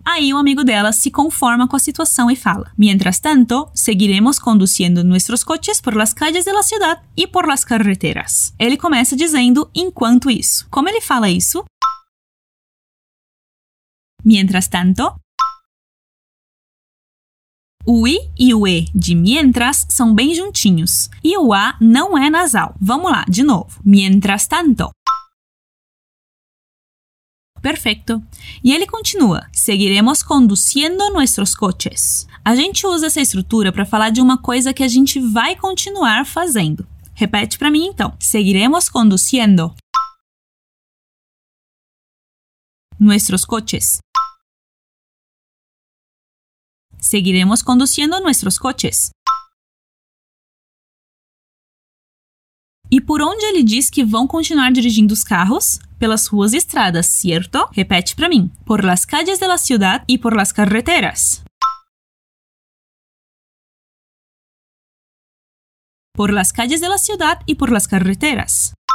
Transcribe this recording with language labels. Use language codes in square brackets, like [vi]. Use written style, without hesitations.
[pt] Aí o amigo dela se conforma com a situação e fala: [es] Mientras tanto, seguiremos conduciendo nuestros coches por las calles de la ciudad y por las carreteras. [pt] Ele começa dizendo: Enquanto isso. Como ele fala isso? [es] Mientras tanto. [pt] O I e o E de mientras são bem juntinhos. E o A não é nasal. Vamos lá, de novo. [es] Mientras tanto. [pt] Perfeito. E ele continua. [es] Seguiremos conduciendo nuestros coches. [pt] A gente usa essa estrutura para falar de uma coisa que a gente vai continuar fazendo. Repete para mim, então. [es] Seguiremos conduciendo. Nuestros coches. Seguiremos conduciendo nuestros coches. [pt] E por onde ele diz que vão continuar dirigindo os carros? Pelas ruas e estradas, certo? Repete para mim. [es] Por las calles de la ciudad y por las carreteras. Por las calles de la ciudad y por las carreteras.